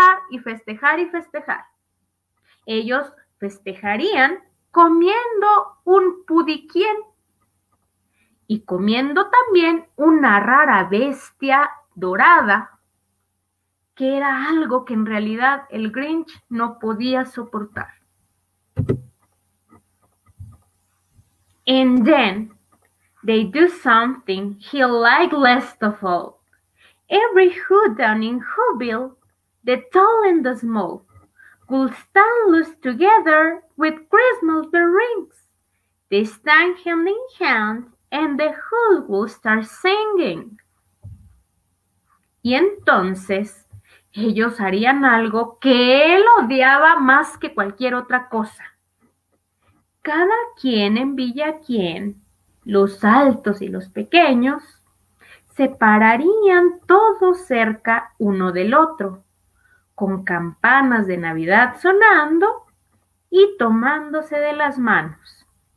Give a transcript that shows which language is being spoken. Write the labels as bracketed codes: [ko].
[es] Y festejar. Ellos festejarían comiendo un pudiquien y comiendo también una rara bestia dorada, que era algo que en realidad el Grinch no podía soportar. [en] And then they do something he liked least of all. Every who down in Whoville, the tall and the small, will stand loose together with Christmas bell rings. They stand hand in hand and the whole will start singing. [es] Y entonces, ellos harían algo que él odiaba más que cualquier otra cosa. Cada quien en Villa Quien, los altos y los pequeños, se pararían todos cerca uno del otro, con campanas de Navidad sonando y tomándose de las manos.